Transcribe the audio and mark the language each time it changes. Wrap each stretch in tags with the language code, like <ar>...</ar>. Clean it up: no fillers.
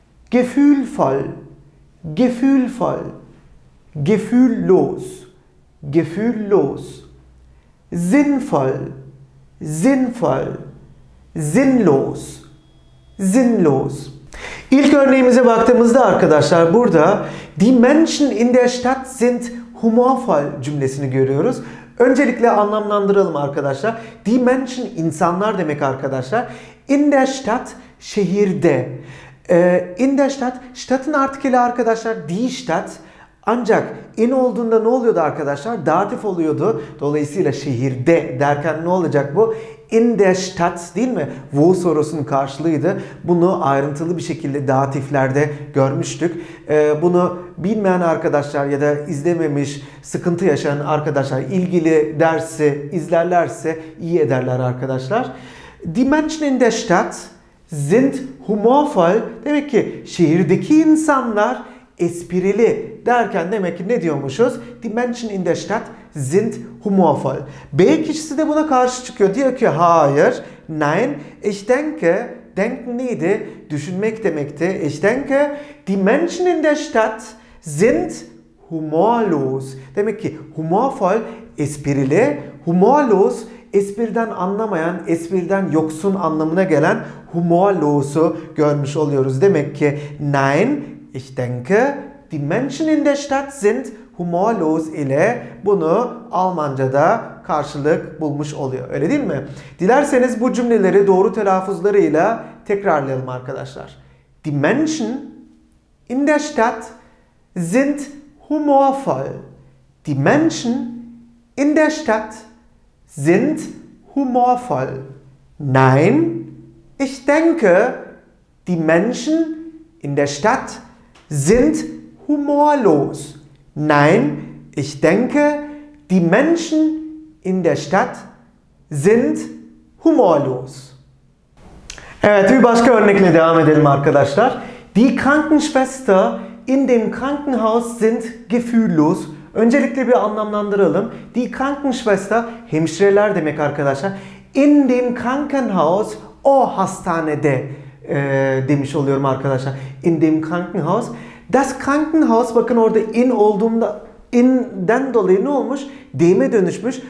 <de>Gefühlvoll, gefühlvoll, gefühllos, gefühllos. Sinnvoll, sinnvoll, sinnlos, sinnlos.</de> <tr>İlk örneğimize baktığımızda arkadaşlar burada</tr> <de>Die Menschen in der Stadt sind humorvoll</de> <tr>cümlesini görüyoruz. Öncelikle anlamlandıralım arkadaşlar.</tr> <de>Die Menschen</de> <tr>insanlar demek arkadaşlar.</tr> <de>In der Stadt</de> <tr>şehirde.</tr> <de>In der Stadt, Stadt'ın</de> <tr>artikeli arkadaşlar</tr> <de>Die Stadt.</de> <tr>Ancak in olduğunda ne oluyordu arkadaşlar? Datif oluyordu. Dolayısıyla şehirde derken ne olacak bu?</tr> <de>In der Stadt</de> <tr>değil mi? Wo sorusunun karşılığıydı. Bunu ayrıntılı bir şekilde datiflerde görmüştük. Bunu bilmeyen arkadaşlar ya da izlememiş, sıkıntı yaşayan arkadaşlar ilgili dersi izlerlerse iyi ederler arkadaşlar.</tr> <de>Die Menschen in der Stadt sind humorvoll.</de> <tr>Demek ki şehirdeki insanlar esprili derken demek ki ne diyormuşuz?</tr> <de>Die Menschen in der Stadt sind humorvoll.</de> <tr>B kişisi de buna karşı çıkıyor. Diyor ki hayır,</tr> <de>nein, ich denke, denken</de> <tr>neydi? Düşünmek demekti.</tr> <de>Ich denke, die Menschen in der Stadt sind humorlos.</de> <tr>Demek ki humorvoll, esprili, humorlos, espriden anlamayan, espriden yoksun anlamına gelen humorlos'u görmüş oluyoruz. Demek ki</tr> <de>nein, ich denke, die Menschen in der Stadt sind humorlos</de> <tr>ile bunu Almanca'da karşılık bulmuş oluyor. Öyle değil mi? Dilerseniz bu cümleleri doğru telaffuzlarıyla tekrarlayalım arkadaşlar.</tr> <de>Die Menschen in der Stadt sind humorvoll. Die Menschen in der Stadt sind humorvoll. Nein, ich denke, die Menschen in der Stadt sind humorlos. Nein, ich denke, die Menschen in der Stadt sind humorlos.</de> <tr>Evet, bir başka örnekle devam edelim arkadaşlar.</tr> <de>Die Krankenschwester in dem Krankenhaus sind gefühllos.</de> <tr>Öncelikle bir anlamlandıralım.</tr> <de>Die Krankenschwester,</de> <tr>hemşireler demek arkadaşlar.</tr> <de>In dem Krankenhaus,</de> <tr>o hastanede demiş oluyorum arkadaşlar.</tr> <de>In dem Krankenhaus. Das Krankenhaus,</de> <tr>bakın orada in olduğunda in'den dolayı ne olmuş? Deyime dönüşmüş.</tr>